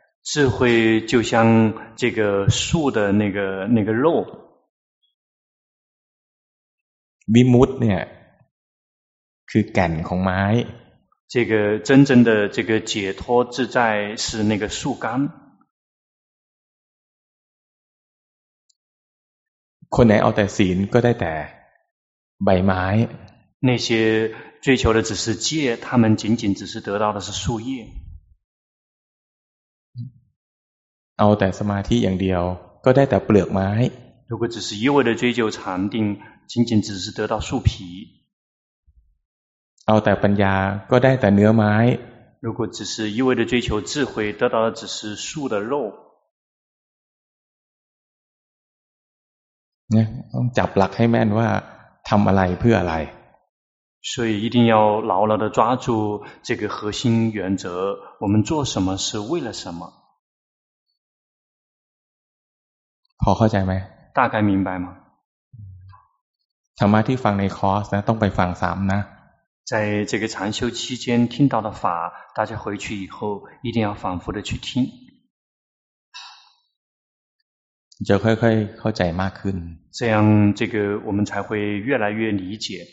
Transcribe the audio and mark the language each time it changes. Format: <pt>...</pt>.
<zh>智慧就像这个树的那个肉</zh> <th>วิมุตติเนี่ยคือแก่นของไม้</th> <zh>这个真正的这个解脱自在是那个树干</zh> <th>คนไหนเอาแต่ศีลก็ได้แต่ใบไม้</th> <zh>那些追求的只是戒他们仅仅只是得到的是树叶</zh> <th>เอาแต่สมาธิอย่างเดียวก็ได้แต่เปลือกไม้</th> <zh>如果只是一味的追求禅定仅仅只是得到树皮</zh> <th>เอาแต่ปัญญาก็ได้แต่เนื้อไม้</th> <zh>如果只是一味的追求智慧得到的只是树的肉</zh> <th>เนี่ยต้องจับหลักให้แม่นว่าทำอะไรเพื่ออะไร</th> <zh>所以一定要牢牢的抓住这个核心原则我们做什么是为了什么</zh> <th>พอเข้าใจไหม</th> <zh>大概明白吗</zh> <th>ธรรมะที่ฟังในคอร์สนะต้องไปฟังซ้ำนะ</th> <zh>在这个禅修期间听到的法大家回去以后一定要反复的去听</zh> <th>จะค่อยๆเข้าใจมากขึ้น</th> <zh>这样这个我们才会越来越理解</zh>